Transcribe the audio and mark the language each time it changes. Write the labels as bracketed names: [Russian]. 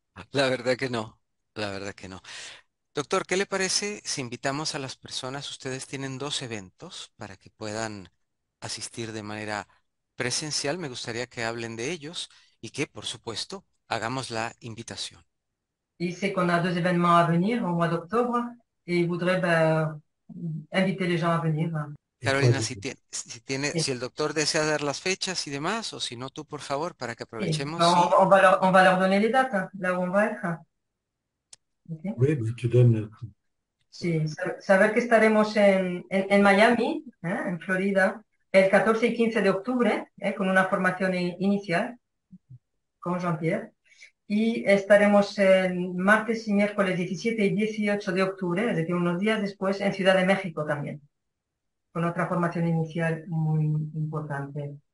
[Spanish] La verdad que no, la verdad que no. Doctor, ¿qué le parece si invitamos a las personas? Ustedes tienen dos eventos para que puedan asistir de manera presencial. Me gustaría que hablen de ellos y que, por supuesto, hagamos la invitación. Dice [French] qu'on a deux événements à venir au mois d'octobre et il voudrait inviter les gens à venir. [Spanish] Y Carolina, si el doctor desea dar las fechas y demás, o si no, tú, por favor, para que Sí. aprovechemos [French] Bon, [Spanish] y... [French] on va leur donner les dates, hein, là où on va être. Okay. Oui, mais tu donnes... [Spanish] Sí, saber que estaremos en Miami, en Florida, el 14 y 15 de octubre, con una formación inicial con Jean-Pierre. Y estaremos el martes y miércoles 17 y 18 de octubre, es decir, unos días después, en Ciudad de México también, con otra formación inicial muy importante